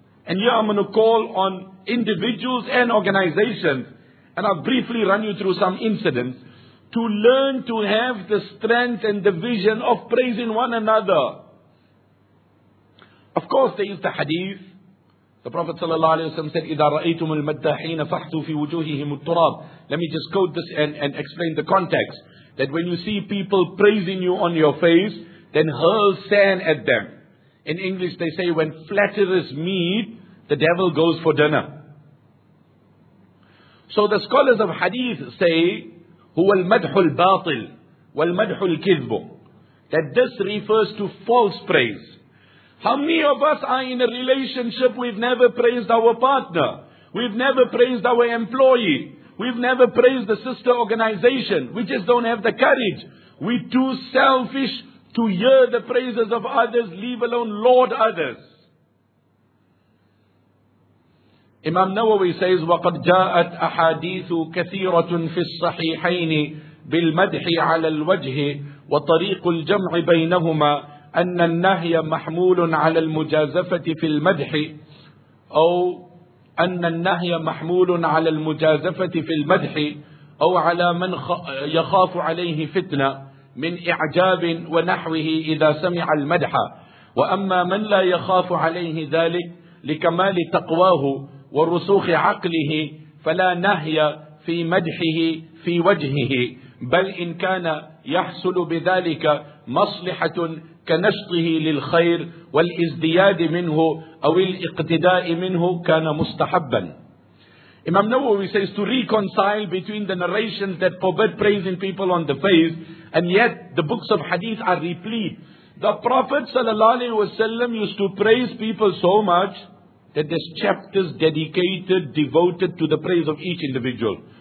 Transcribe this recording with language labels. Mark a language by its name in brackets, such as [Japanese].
[English] And here I'm going to call on individuals and organizations, and I'll briefly run you through some incidents, to learn to have the strength and the vision of praising one another. Of course, there is the hadith. The Prophet ﷺ said, [Arabic] إِذَا رَأَيْتُمُ الْمَدَّحِينَ فَحْتُوا فِي وُجُوهِهِمُ التُّرَابِ. [English] Let me just quote this and explain the context. That when you see people praising you on your face, then hurl sand at them. In English they say, when flatterers meet, the devil goes for dinner. So the scholars of hadith say, [Arabic] هُوَ الْمَدْحُ الْبَاطِلِ وَالْمَدْحُ الْكِذْبُ. [English] That this refers to false praise. How many of us are in a relationship, we've never praised our partner, we've never praised our employee, we've never praised the sister organization, we just don't have the courage. We're too selfish to hear the praises of others, leave alone laud others. Imam Nawawi says, [Arabic] وَقَدْ جَاءَتْ أَحَادِيثُ كَثِيرَةٌ فِي الصَّحِيحَيْنِ بِالْمَدْحِ عَلَى الْوَجْهِ وَطَرِيقُ الْجَمْعِ بَيْنَهُمَا أن النهي محمول على المجازفة في المدح أو أن النهي محمول على المجازفة في المدح أو على من يخاف عليه فتنة من إعجاب ونحوه إذا سمع المدح وأما من لا يخاف عليه ذلك لكمال تقواه ورسوخ عقله فلا نهي في مدحه في وجهه بل إن كان يحصل بذلك مصلحة كنشطه للخير والازدياد منه أو الاقتداء منه كان مستحبا. [English] Imam Nawawi says to reconcile between the narrations that forbid praising people on the face, and yet the books of hadith are replete. The Prophet sallallahu alaihi wasallam used to praise people so much that there's chapters dedicated, devoted to the praise of each individual.